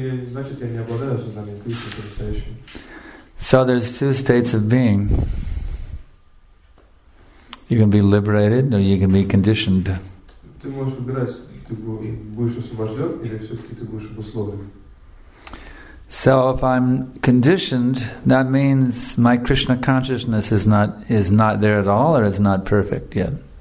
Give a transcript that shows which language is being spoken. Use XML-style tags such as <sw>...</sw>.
<ru>Значит, я не обладаю осознанием Кришны по-настоящему.</ru> <en>So there's two states of being. You can be liberated or you can be conditioned.</en> <ru>Ты можешь выбирать, ты будешь освобожден или все-таки ты будешь обусловлен.</ru> <en>So if I'm conditioned, that means my Krishna consciousness is not there at all, or is not perfect yet.</en>